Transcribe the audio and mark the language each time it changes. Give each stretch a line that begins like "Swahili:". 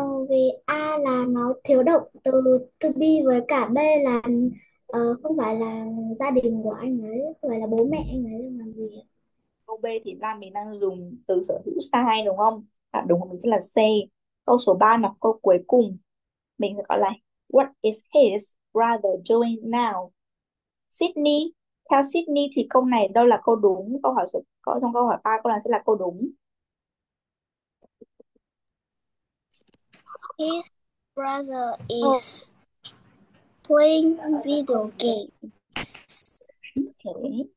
Vietnamese: Vì A là nó thiếu động từ to be, với cả B là không phải là gia đình của anh ấy, không phải là bố mẹ anh ấy làm gì ạ. Câu B thì là mình đang dùng từ sở hữu sai đúng không? À, đúng rồi, mình sẽ là C. Câu số 3 là câu cuối cùng. Mình sẽ gọi là
English: What is his brother doing now?
Vietnamese: Sydney. Theo Sydney thì câu này đâu là câu đúng? Câu hỏi số, có trong câu hỏi 3 câu này sẽ là câu đúng.
English: His brother is playing video. Okay.